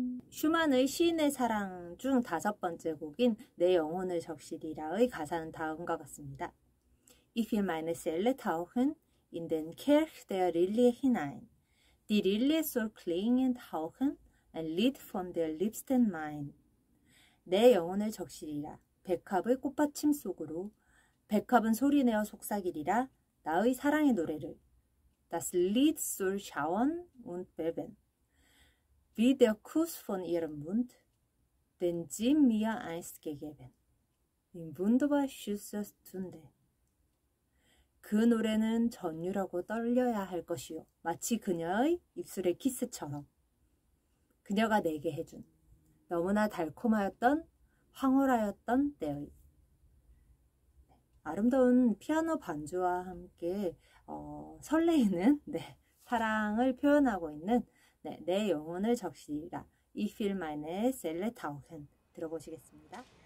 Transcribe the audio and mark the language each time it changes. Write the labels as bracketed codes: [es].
[ko] 슈만의 시인의 사랑 중 다섯 번째 곡인 내 영혼을 적시리라의 가사는 다음과 같습니다. [de] Ich will meine Seele tauchen in den Kelch der Lilie hinein. Die Lilie soll klingen tauchen ein Lied von der liebsten mein. [ko] 내 영혼을 적시리라. 백합의 꽃받침 속으로 백합은 소리내어 속삭이리라 나의 사랑의 노래를. [de] Das Lied soll schauen und beben. Wie der Kuss von ihrem Mund, den sie mir einst gegeben, in wunderbar süßer Stunde. [ko] 그 노래는 전율하고 떨려야 할 것이요. 마치 그녀의 입술의 키스처럼. 그녀가 내게 해준 너무나 달콤하였던, 황홀하였던 때의. 아름다운 피아노 반주와 함께 설레이는 사랑을 표현하고 있는 네, 내 영혼을 적시리라. [de] Ich will meine Seele tauchen. [ko] 들어보시겠습니다.